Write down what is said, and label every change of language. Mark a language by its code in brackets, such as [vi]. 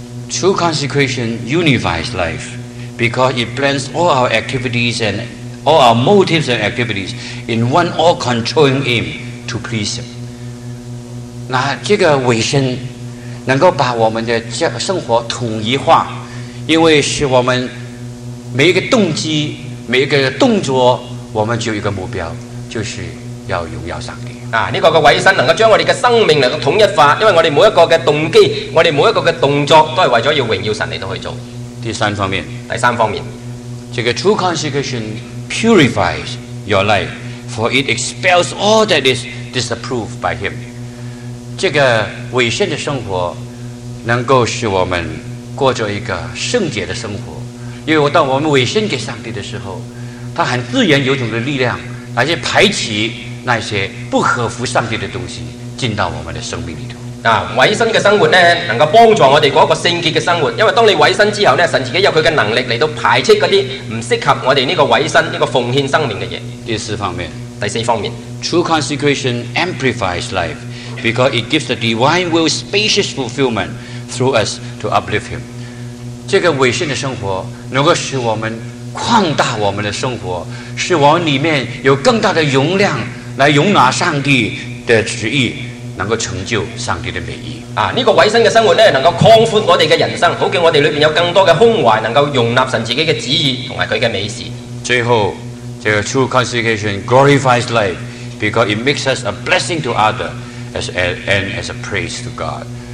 [en] True consecration unifies life because it blends all our activities and all our motives and activities in one all-controlling aim to please Him. [zh] 那这个委身能够把我们的生活统一化，因为是我们每一个动机每一个动作我们就有一个目标，就是要荣耀上帝。啊，这个委身能够将我们的生命能够统一化，因为我们每一个的动机我们每一个的动作都是为了要荣耀神来去做。第三方面，这个 [en] true consecration purifies your life, for it expels all that is disapproved by Him. [zh] 这个委身的生活能够使我们过着一个圣洁的生活，因为当我们委身给上帝的时候，他很自然有种的力量来去排挤那些不合乎上帝的东西进到我们的生命里头。啊，委身的生活呢能够帮助我们过一个圣洁的生活，因为当你委身之后呢，神自己有祂的能力来到排斥那些不适合我们这个委身这个奉献生命的东西。第四方面 [en] True consecration amplifies life because it gives the divine will spacious fulfillment through us to uplift Him. [zh] 这个委身的生活能够使我们扩大我们的生活，使我们里面有更大的容量来容纳上帝的旨意，能够成就上帝的美意。啊，这个委身的生活能够扩宽我们的人生，好叫我们里面有更多的胸怀能够容纳神自己的旨意和祂的美事。最后，这个 [en] true consecration glorifies life because it makes us a blessing to others and as a praise to God.